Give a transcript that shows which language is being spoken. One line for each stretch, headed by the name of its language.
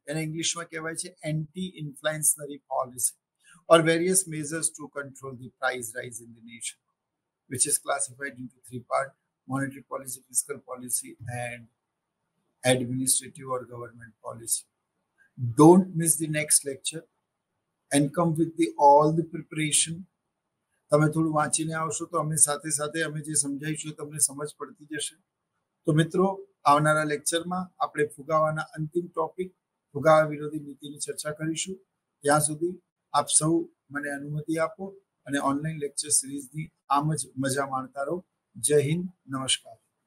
Gujarati: એને ઇંગ્લિશમાં કહેવાય છે
English: Anti inflationary policy or various measures to control the price rise in the nation, which is classified into three part: monetary policy, fiscal policy and administrative or government policy. Don't miss the next lecture and come with the all the preparation.
Gujarati: તમે થોડું વાંચીને આવશો તો અમે સાથે સાથે અમે જે સમજાવીશું તમને સમજ પડતી જશે. તો મિત્રો, આવનારા લેક્ચરમાં આપણે ફુગાવાના અંતિમ ટોપિક, ફુગાવા વિરોધી નીતિની ચર્ચા કરીશું. ત્યાં સુધી આપ સૌ મને અનુમતિ આપો અને ઓનલાઈન લેક્ચર સિરીઝની આમ જ મજા માણતા રહો. જય હિન્દ. નમસ્કાર.